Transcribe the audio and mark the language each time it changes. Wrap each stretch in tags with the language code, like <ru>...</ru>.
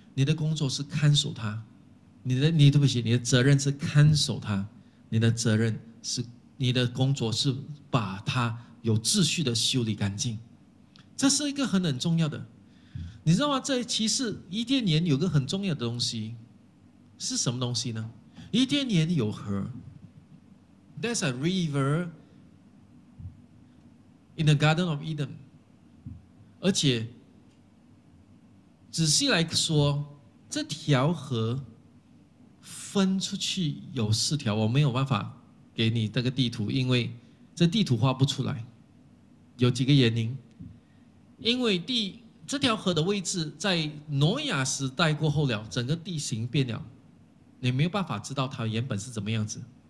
<zh>你的工作是看守他，你的责任是看守他，你的责任是，你的工作是把他有秩序的修理干净。这是一个很重要的，你知道吗？这其实伊甸园有个很重要的东西，是什么东西呢？伊甸园有河。</zh> <en>There's a river in the Garden of Eden.</en> <zh>而且仔细来说，这条河分出去有四条，我没有办法给你这个地图，因为这地图画不出来。有几个原因，因为这条河的位置在挪亚时代过后了，整个地形变了，你没有办法知道它原本是怎么样子。</zh>